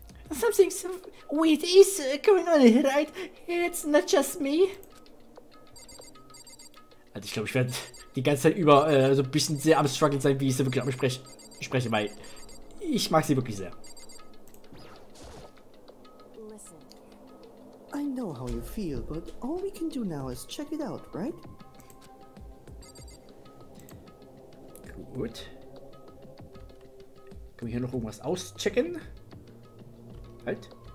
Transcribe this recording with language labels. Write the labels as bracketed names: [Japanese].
[English] Something so weird is going on, right? It's not just me. A [German] Also ich glaube, ich werde die ganze Zeit über so ein bisschen sehr am Struggle sein, wie ich sie wirklich spreche, weil ich mag sie wirklich sehr. [English] I know how you feel, but all we can do now is check it out, right? [German] Gut. Können wir hier noch irgendwas auschecken? Halt.